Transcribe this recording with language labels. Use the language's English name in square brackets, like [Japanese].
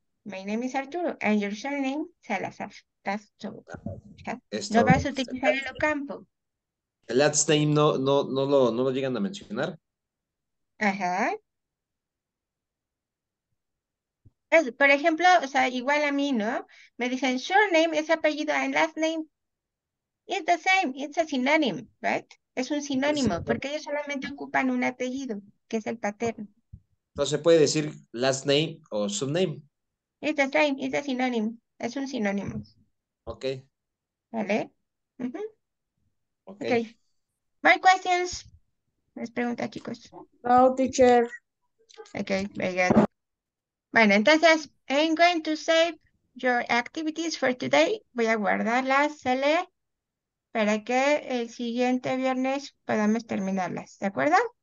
[English] My name is Arturo, and your surname, Salazar. That's true. [Spanish] ¿Ya? No vas a utilizar el Ocampo. El last name no lo llegan a mencionar. Ajá. Es, por ejemplo, o sea, igual a mí, ¿no? Me dicen, surname es apellido and last name. [English] It's the same, it's a synonym, right? [Spanish] Es un sinónimo, porque ellos solamente ocupan un apellido, que es el paterno. No se puede decir last name o surname. [English] It's the same, it's a synonym, [Spanish] es un sinónimo. [English] Ok. [Spanish] ¿Vale? [English] Uh-huh. Okay. Okay. My questions. [Spanish] Les pregunta, chicos. [English] No, teacher. Okay, very good. [Spanish] Bueno, entonces, [English] I'm going to save your activities for today. [Spanish] Voy a guardarlas, se lee. Para que el siguiente viernes podamos terminarlas, ¿de acuerdo?